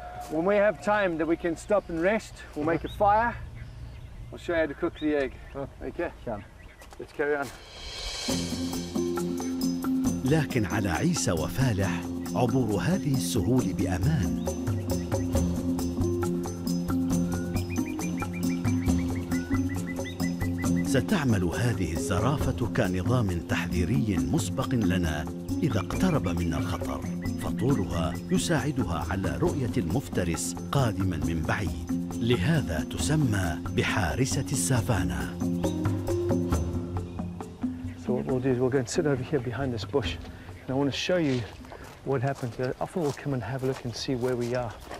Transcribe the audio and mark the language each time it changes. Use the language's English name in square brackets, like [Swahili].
[English] When we have time that we can stop and rest, we'll make a fire. I'll show you how to cook the egg. Okay. Let's carry on. [Arabic] لكن على عيسى وفالح عبور هذه السهول بأمان. ستعمل هذه الزرافة كنظام تحذيري مسبق لنا إذا اقترب منا الخطر، فطولها يساعدها على رؤية المفترس قادما من بعيد، لهذا تسمى بحارسة السافانا. [English] So what we'll do is we'll go and sit over here behind this bush, and I want to show you what happened here. Often we'll come and have a look and see where we are.